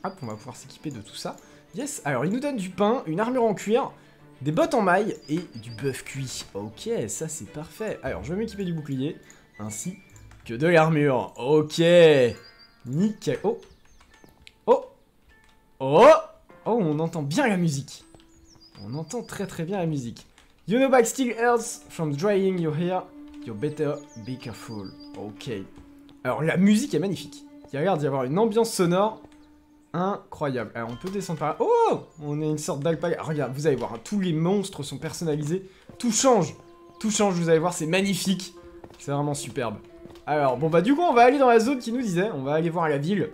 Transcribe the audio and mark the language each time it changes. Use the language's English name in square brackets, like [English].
[French] Hop, on va pouvoir s'équiper de tout ça. Yes, alors il nous donne du pain, une armure en cuir, des bottes en maille et du bœuf cuit. Ok, ça c'est parfait. Alors je vais m'équiper du bouclier, ainsi que de l'armure. Ok, nickel. Oh, oh, oh, oh, on entend bien la musique. On entend très très bien la musique. [English] You know back still hurts from drying your hair. You better be careful. Ok. [French] Alors, la musique est magnifique. Il y a l'air d'y avoir une ambiance sonore incroyable. Alors, on peut descendre par là. Oh, on est une sorte d'alpaga. Regarde, vous allez voir, hein, tous les monstres sont personnalisés. Tout change. Tout change, vous allez voir, c'est magnifique. C'est vraiment superbe. Alors, bon, bah, du coup, on va aller dans la zone qui nous disait. On va aller voir la ville.